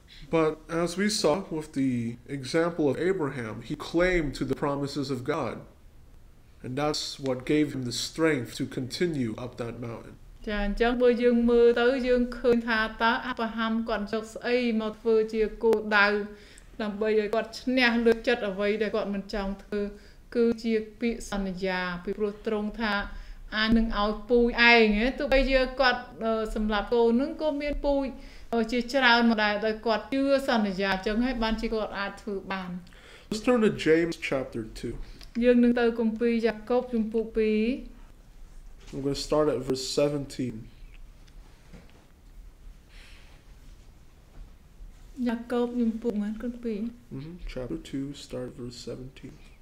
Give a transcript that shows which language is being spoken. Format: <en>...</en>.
<en>But as we saw with the example of Abraham he claimed to the promises of God and that's what gave him the strength to continue up that mountain</en> <km>ចា៎អញ្ចឹងបើយើងមើលទៅយើងឃើញថាតើអប្រហាំគាត់យកស្អីមកធ្វើជាគោលដៅដើម្បីឲ្យគាត់ឈ្នះលើចិត្តអ្វីដែលគាត់មិនចង់ធ្វើគឺជាពាក្យសន្យាពីព្រោះត្រង់ថាអានឹងឲ្យពូជឯងទោះបីជាគាត់សម្រាប់កូននឹងក៏មានពូជជាច្រើនមកដែរតែគាត់ជឿសន្យាអញ្ចឹងហើយបានជាគាត់អាចធ្វើបាន</km> <en>Let's turn to James chapter 2</en> <km>យើងនឹងទៅគម្ពីរយ៉ាកុបជំពូក2</km> <en>I'm going to start at verse 17. Jacob, you put me in good be. Chapter 2, start verse 17.</en>